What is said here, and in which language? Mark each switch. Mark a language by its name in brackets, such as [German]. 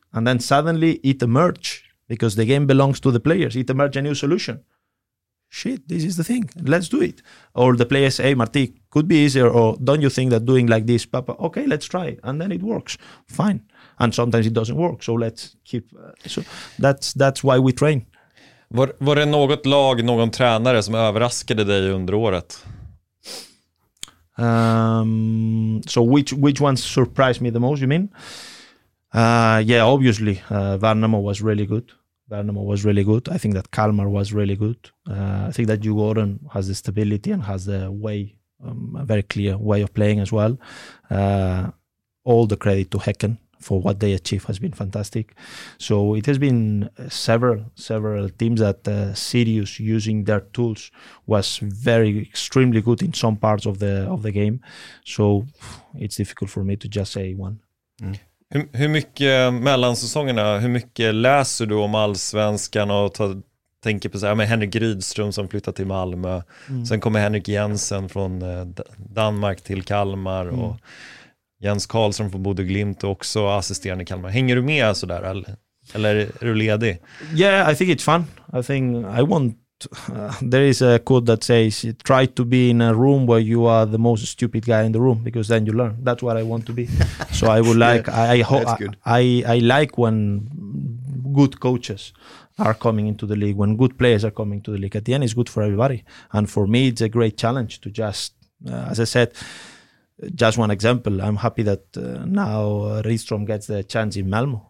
[English] And then suddenly it emerged because the game belongs to the players. It emerged a new solution. Shit, this is the thing. Let's do it. Or the players say, hey, Marti, could be easier. Or don't you think that doing like this, Papa, okay, let's try. And then it works. Fine. And sometimes it doesn't work. So let's keep... So that's why we train. [Swedish] Var det något lag, någon tränare som överraskade dig under året? [English] So which one surprised me the most, you mean? Yeah, obviously. Värnamo was really good. Värnamo was really good. I think that Kalmar was really good. I think that Djurgården has the stability and has the way, a very clear way of playing as well. All the credit to Häcken for what they achieved has been fantastic. So it has been several teams that Sirius using their tools was very extremely good in some parts of the game. So it's difficult for me to just say one. Mm. [Swedish] Hur mycket mellansäsongerna, hur mycket läser du om allsvenskan och tänker på så här, med Henrik Rydström som flyttat till Malmö. Mm. Sen kommer Henrik Jensen från Danmark till Kalmar och Jens Karlsson från Bodø Glimt också assisterande i Kalmar. Hänger du med så där eller är du ledig? [English] Yeah, I think it's fun. I think I want there is a quote that says try to be in a room where you are the most stupid guy in the room because then you learn. That's what I want to be. So I would like I like when good coaches are coming into the league, when good players are coming to the league. At the end it's good for everybody, and for me it's a great challenge to just as I said, just one example, I'm happy that now Rydström gets the chance in Malmö.